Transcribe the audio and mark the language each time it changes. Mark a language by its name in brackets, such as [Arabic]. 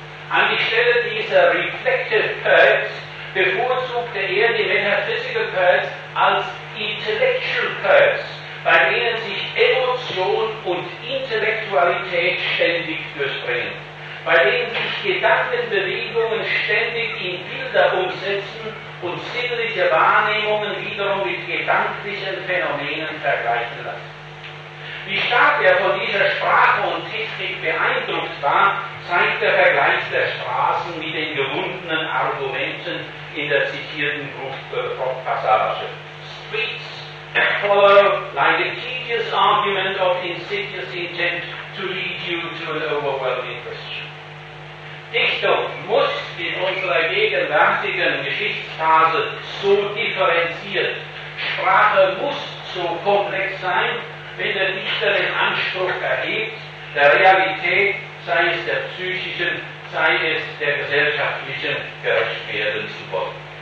[German] An die Stelle dieser Reflective Poets bevorzugte er die Metaphysical Poets als Intellectual Poets, bei denen sich Emotion und Intellektualität ständig durchbringen, bei denen sich Gedankenbewegungen ständig in Bilder umsetzen und sinnliche Wahrnehmungen wiederum mit gedanklichen Phänomenen vergleichen lassen. Wie stark er von dieser Sprache und Technik beeindruckt war, zeigt der Vergleich der Straßen mit den gewundenen Argumenten in der zitierten Bruchpassage. [English] Streets follow like a tedious argument of insidious intent to lead you to an overwhelming question. [German] Dichtung muss in unserer gegenwärtigen Geschichtsphase so differenziert, Sprache muss so komplex sein, wenn der Dichter den Anspruch erhebt, der Realität, sei es der psychischen, sei es der gesellschaftlichen, gerecht werden zu wollen.